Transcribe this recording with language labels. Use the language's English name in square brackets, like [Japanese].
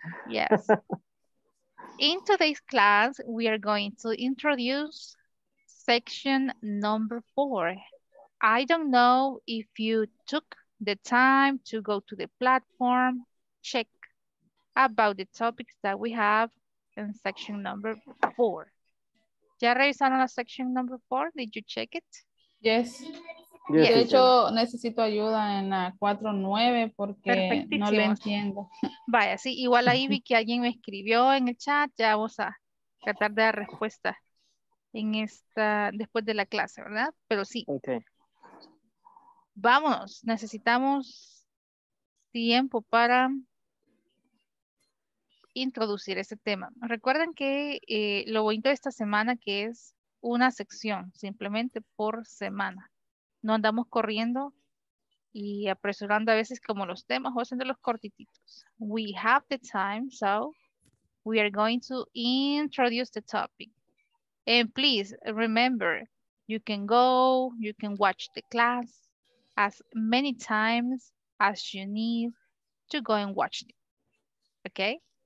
[English] Yes. In today's class, we are going to introduce section number four. I don't know if you took the time to go to the platform, check about the topics that we have in section number four. [Spanish] ¿Ya revisaron la [English] section number four? Did you check it? Yes. Yes, [Spanish] De [English] teacher. [Spanish] hecho, necesito ayuda en la 4-9 porque no le Perfectísimo. entiendo. Vaya, sí, igual ahí vi que alguien me escribió en el chat. Ya vamos a tratar de dar respuesta en esta, después de la clase, ¿verdad? Pero sí. [English] Okay. [Spanish] Vamos, necesitamos tiempo para introducir ese tema. Recuerden que lo bonito de esta semana que es una sección, simplemente por semana. No andamos corriendo y apresurando a veces como los temas o haciendo los cortititos. [English] We have the time, so we are going to introduce the topic. And please remember, you can go, you can watch the class as many times as you need to go and watch it. Okay?